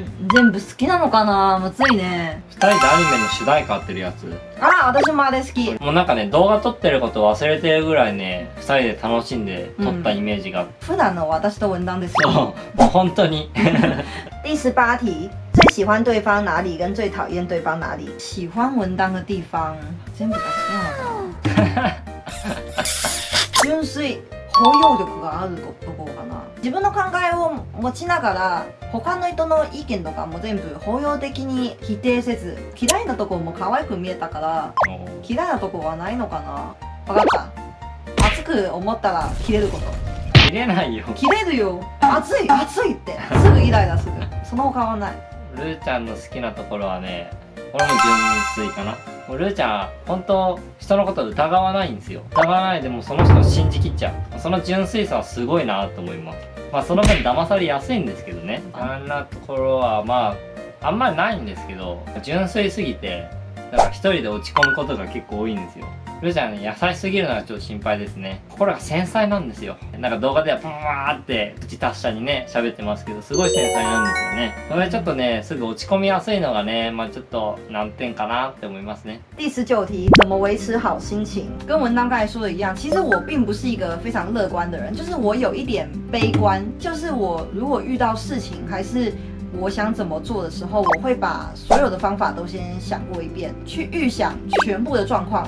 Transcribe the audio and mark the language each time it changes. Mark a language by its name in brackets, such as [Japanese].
[Japanese] 全部好きなのかな、むずいね。二人でアニメの主題歌やってるやつ。あ、私もあれ好き。もうなんかね、動画撮ってること忘れてるぐらいね、二人で楽しんで撮ったイメージが。普段の私と文章ですよ。そう、もう本当に。 [Chinese] 第十八题，最喜欢对方哪里跟最讨厌对方哪里？喜欢文章的地方，今天比较亮。 [Japanese] 純粋包容力があるところかな。自分の考えを持ちながら、他の人の意見とかも全部包容的に否定せず、嫌いなところも可愛く見えたから、嫌いなところはないのかな。わかった。熱く思ったら切れること。切れないよ。切れるよ。熱い熱いってすぐイライラする。その他はない。ルーちゃんの好きなところはね、これも純粋かな。もうルーちゃん本当人のこと疑わないんですよ。疑わないでもその人を信じきっちゃう。その純粋さはすごいなと思います。まあその分騙されやすいんですけどね。あんなところはまああんまりないんですけど、純粋すぎてだから一人で落ち込むことが結構多いんですよ。ルーちゃん、ね、優しすぎるのはちょっと心配ですね。心が繊細なんですよ。なんか動画ではパワーって口達者にね喋ってますけど、すごい繊細なんですよね。それちょっとねすぐ落ち込みやすいのがね、まあちょっと難点かなって思いますね。 [Chinese] 第十九题，怎么维持好心情？跟文章刚才说的一样，其实我并不是一个非常乐观的人，就是我有一点悲观，就是我如果遇到事情还是。我想怎么做的时候，我会把所有的方法都先想过一遍，去预想全部的状况。